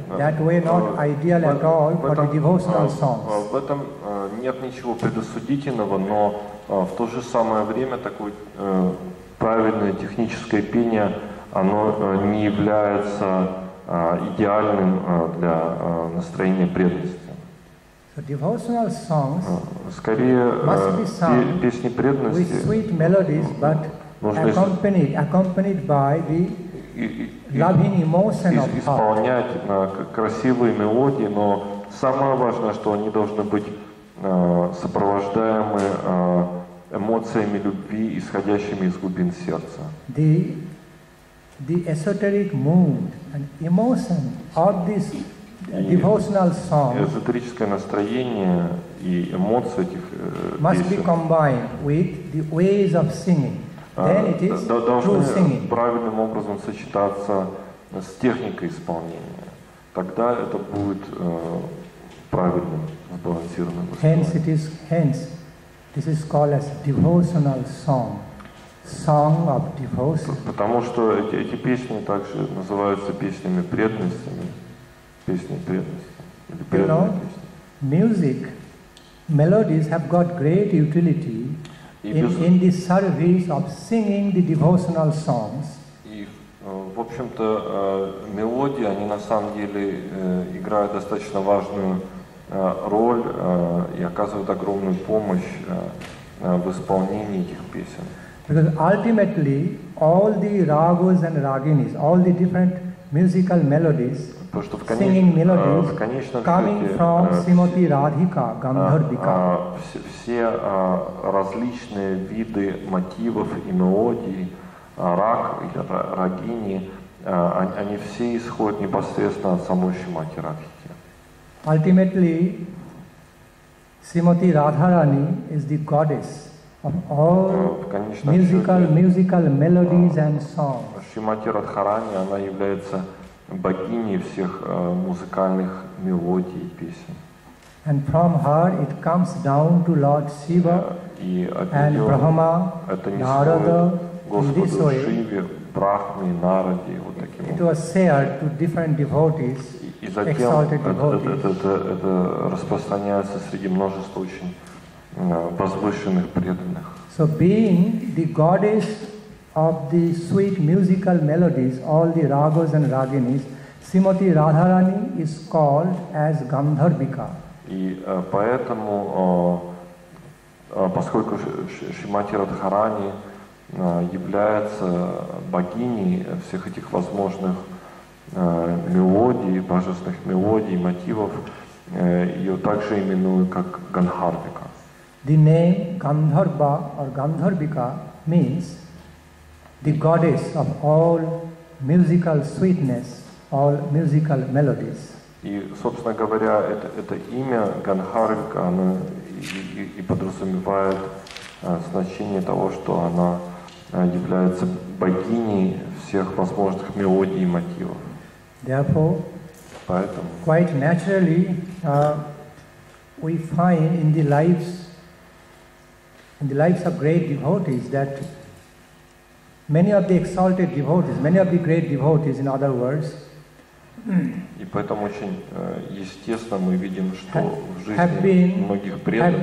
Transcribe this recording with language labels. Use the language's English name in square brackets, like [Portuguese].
[English] That way not ideal at all for the devotional songs. [Russian] В этом нет ничего предосудительного, но в то же самое время такое правильное техническое пение, оно не является идеальным для настроения преданности. [English] So devotional songs [Russian] скорее песни преданности [English] with sweet melodies, but accompanied by the loving emotion of heart. [Russian] Исполнять на красивые мелодии, но самое важное, что они должны быть сопровождаемы эмоциями любви, исходящими из глубин сердца. [English] The esoteric mood and emotion of this devotional song [Russian] эзотерическое настроение и эмоции этих [English] must be combined with the ways of singing. Then it is true singing. [Russian] Правильным образом сочетаться с техникой исполнения. Тогда это будет правильным, сбалансированным исполнением. [English] Hence, this is called as devotional song. Song of devotion. [Russian] Потому что эти песни также называются песнями преданности. Песни преданности. [English] You know, music, melodies have got great utility in the service of singing the devotional songs. [Russian] В общем-то, мелодии, они на самом деле играют достаточно важную роль и оказывают огромную помощь в исполнении этих песен. [English] Because ultimately, all the ragas and raginis, all the different musical melodies, singing melodies, coming from Srimati Radhika, Gandharvika. [Russian] Все различные виды мотивов и мелодий, раг или рагини, они все исходят непосредственно от самой Шримати Радхики. [English] Ultimately, Srimati Radharani is the goddess of all musical melodies and songs. [Russian] Шримати Радхарани, она является богиней всех музыкальных мелодий и песен. [English] And from her it comes down to Lord Shiva and Brahma, Narada. [Russian] Господу Шиве, Брахме, Нараде, вот таким образом. [English] It was shared to different devotees, [Russian] и затем это распространяется среди множества очень возвышенных преданных. [English] So being the goddess of the sweet musical melodies, all the ragas and raginis, Srimati Radharani is called as Gandharvika. [Russian] И поэтому, поскольку Шримати Радхарани является богиней всех этих возможных мелодий, божественных мелодий, мотивов, ее также именуют как Гандхарвика. [English] The name Gandharva or Gandharvika means the goddess of all musical sweetness, all musical melodies. [Russian] И, собственно говоря, это имя Гандхарвика, оно и подразумевает значение того, что она является богиней всех возможных мелодий и мотивов. [English] Therefore, [Russian] поэтому [English] quite naturally we find in the lives of great devotees that many of the exalted devotees, many of the great devotees, in other words, [Russian] и поэтому очень естественно мы видим, что в жизни многих преданных